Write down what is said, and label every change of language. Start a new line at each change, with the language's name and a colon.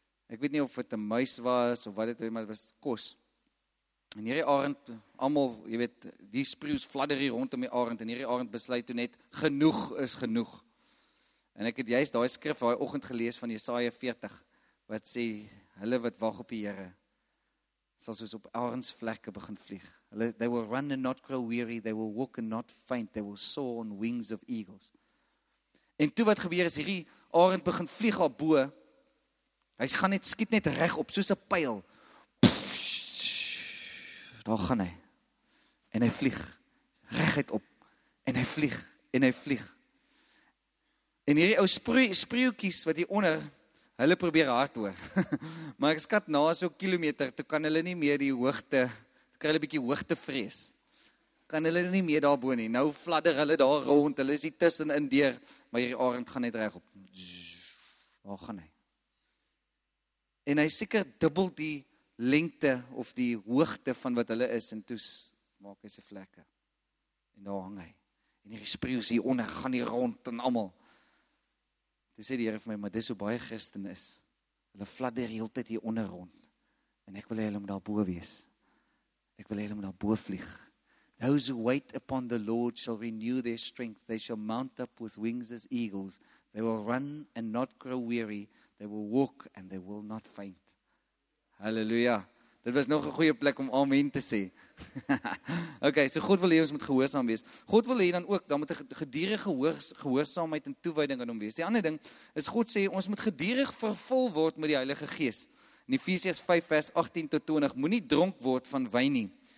Afrikaans: Ek weet nie of het 'n muis was of wat het, maar het was kos. En hierdie arend, allemaal, jy weet, die spreeuws fladder hier rondom die arend en hierdie arend besluit toe net, genoeg is genoeg. En ek het juist die skrif van die oggend gelees van Jesaja 40, wat sê, hulle wat wag op die Here sal soos op arends vlekke begin vlieg.
English: They will run and not grow weary, they will walk and not faint, they will soar on wings of eagles.
Afrikaans: En toe wat gebeur is, hierdie arend begin vlieg al bo, hy gaan net, skiet net reg op, soos 'n pijl. Daar gaan hy. En hy vlieg, reg uit op. En hy vlieg, en hy vlieg. En hierdie ou spreeuwkies wat hier onder, hulle probeer hard hoor. Maar ek skat na so'n kilometer, toe kan hulle nie meer die hoogte, kry hulle 'n bietjie hoogtevrees. Kan hulle nie meer daar bo nie. Nou fladder hulle daar rond. Hulle is hier tussenin deur, maar hierdie arend gaan net reg op. Waar gaan hy? En hy seker dubbel die lengte of die hoogte van wat hulle is en toe maak hy sy vlekke. En daar hang hy. En hierdie spreeus hier onder gaan hier rond en almal. Toe sê die Here vir my, maar dis hoe baie Christen is. Hulle fladder heeltyd hier onder rond. En ek wil hê hulle moet daar bo wees. Ek wil hê hulle moet daar bo vlieg.
English: Those who wait upon the Lord shall renew their strength. They shall mount up with wings as eagles. They will run and not grow weary. They will walk and they will not faint.
Afrikaans: Halleluja. Dit was nog 'n goeie plek om amen te sê. Okay, so God wil hê ons moet gehoorsaam wees. God wil hê dan ook, dan moet 'n gedurende gehoorsaamheid en toewyding aan hom wees. Die ander ding is God sê, ons moet gedurig vervul word met die Heilige Gees. In Efesiërs 5 vers 18 tot 20, moenie dronk word van wyn nie.